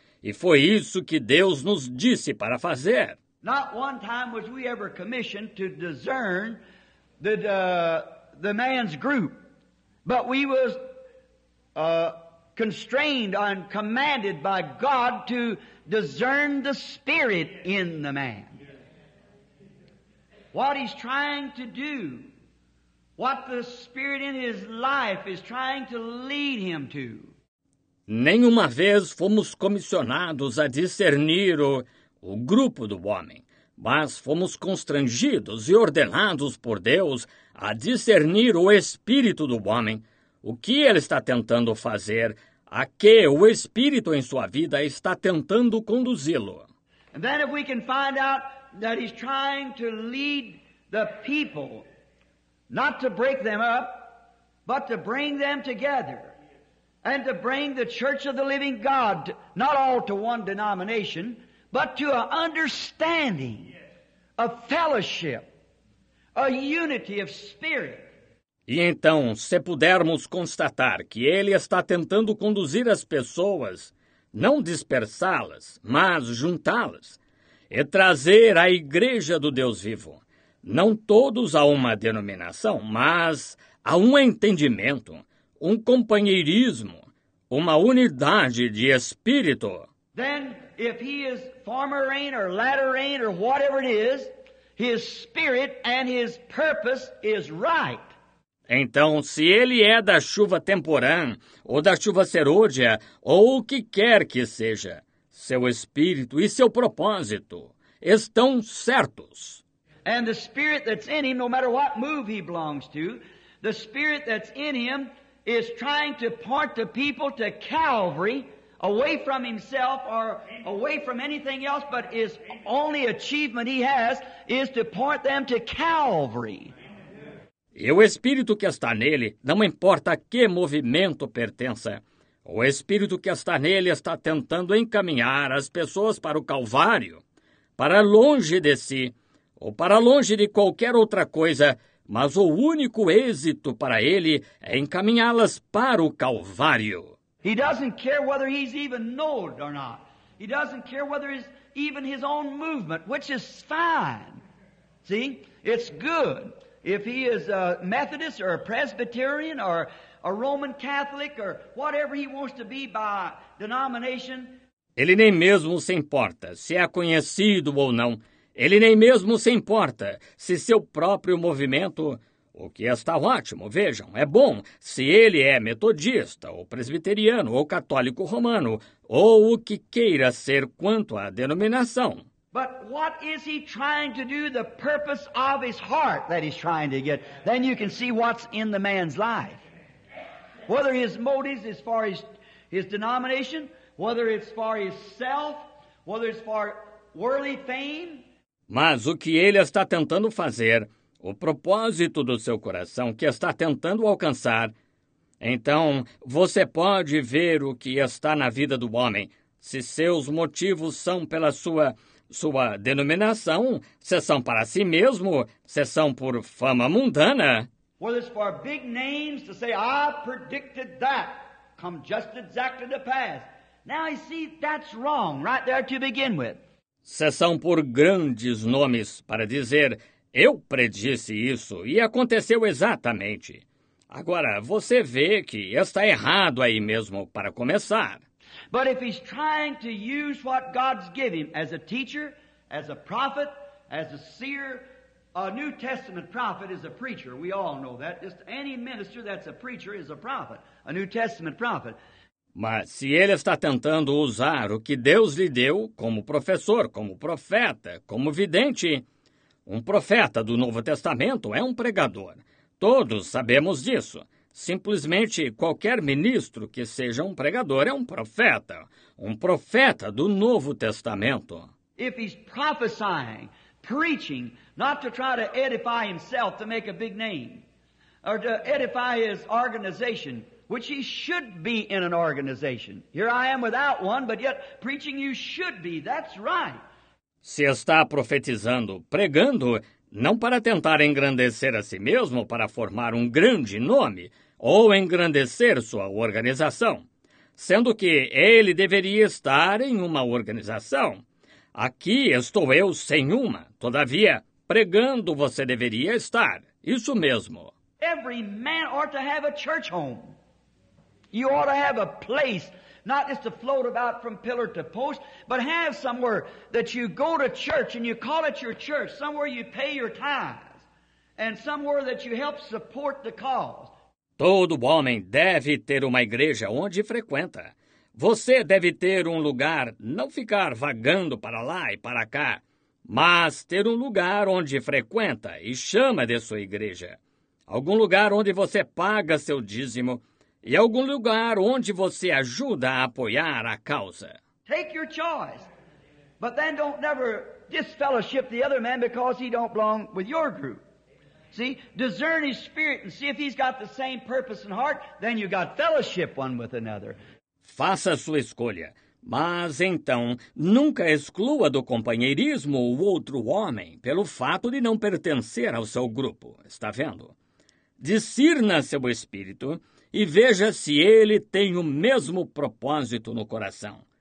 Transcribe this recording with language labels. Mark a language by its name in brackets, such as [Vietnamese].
[Portuguese] E foi isso que Deus nos disse para fazer. [English] Not one time was we ever commissioned to discern the man's group, but we was constrained and commanded by God to discern the spirit in the man. What he's trying to do, what the spirit in his life is trying to lead him to. [Portuguese] Nenhuma vez fomos comissionados a discernir o grupo do homem, mas fomos constrangidos e ordenados por Deus a discernir o espírito do homem, o que ele está tentando fazer, a que o espírito em sua vida está tentando conduzi-lo. [English] And then if we can find out that he's trying to lead the people, not to break them up, but to bring them together, and to bring the church of the living God, not all to one denomination, but to an understanding, a fellowship, a unity of spirit. [Portuguese] E então, se pudermos constatar que ele está tentando conduzir as pessoas, não dispersá-las, mas juntá-las, e trazer a igreja do Deus vivo, não todos a uma denominação, mas a um entendimento, um companheirismo, uma unidade de espírito. [English] Then, if he is former rain or latter rain or whatever it is, his spirit and his purpose is right. [Portuguese] Então, se ele é da chuva temporã, ou da chuva serôdia, ou o que quer que seja, seu espírito e seu propósito estão certos. [English] And the spirit that's in him, no matter what move he belongs to, the spirit that's in him is trying to point the people to Calvary, away from himself or away from anything else, but his only achievement he has is to point them to Calvary. [Portuguese] E o espírito que está nele, não importa a que movimento pertença, o espírito que está nele está tentando encaminhar as pessoas para o Calvário, para longe de si, ou para longe de qualquer outra coisa, mas o único êxito para ele é encaminhá-las para o Calvário. [English] He doesn't care whether he's even known or not. He doesn't care whether it's even his own movement, which is fine. See? It's good. If he is a Methodist or a Presbyterian or a Roman Catholic or whatever he wants to be by denomination. [Portuguese] Ele nem mesmo se importa se é conhecido ou não. Ele nem mesmo se importa se seu próprio movimento, o que está ótimo, vejam, é bom, se ele é metodista ou presbiteriano ou católico romano ou o que queira ser quanto à denominação. [English] But what is he trying to do, the purpose of his heart that he's trying to get? Then you can see what's in the man's life. Whether his motives as far as his denomination, whether it's for his self, whether it's for worldly fame. [Portuguese] Mas o que ele está tentando fazer, o propósito do seu coração que está tentando alcançar, então você pode ver o que está na vida do homem, se seus motivos são pela sua denominação, se são para si mesmo, se são por fama mundana. [English] Well, it's for big names to say, I predicted that, come just exactly to pass. Now, you see, that's wrong, right there to begin with. [Portuguese] Se são por grandes nomes para dizer, eu predisse isso e aconteceu exatamente. Agora, você vê que está errado aí mesmo para começar. [English] But if he's trying to use what God's given him as a teacher, as a prophet, as a seer, a New Testament prophet is a preacher. We all know that. Just any minister that's a preacher is a prophet, a New Testament prophet. [Portuguese] Mas se ele está tentando usar o que Deus lhe deu como professor, como profeta, como vidente, um profeta do Novo Testamento é um pregador. Todos sabemos disso. Simplesmente qualquer ministro que seja um pregador é um profeta do Novo Testamento. [English] If he's prophesying, preaching, not to try to edify himself to make a big name, or to edify his organization, which he should be in an organization. Here I am without one, but yet preaching you should be. That's right. [Portuguese] Se está profetizando, pregando, não para tentar engrandecer a si mesmo, para formar um grande nome, ou engrandecer sua organização, sendo que ele deveria estar em uma organização. Aqui estou eu sem uma. Todavia, pregando, você deveria estar. Isso mesmo. [English] Every man ought to have a church home. You ought to have a place, not just to float about from pillar to post, but have somewhere that you go to church and you call it your church, somewhere you pay your tithes, and somewhere that you help support the cause. [Portuguese] Todo homem deve ter uma igreja onde frequenta. Você deve ter um lugar, não ficar vagando para lá e para cá, mas ter um lugar onde frequenta e chama de sua igreja. Algum lugar onde você paga seu dízimo e algum lugar onde você ajuda a apoiar a causa. [English] Take your choice, but then don't never disfellowship the other man because he don't belong with your group. See, discern his spirit and see if he's got the same purpose and heart, then you got fellowship one with another. [Portuguese] Faça sua escolha, mas então nunca exclua do companheirismo o outro homem pelo fato de não pertencer ao seu grupo. Está vendo? Discirna seu espírito e veja se ele tem o mesmo propósito no coração.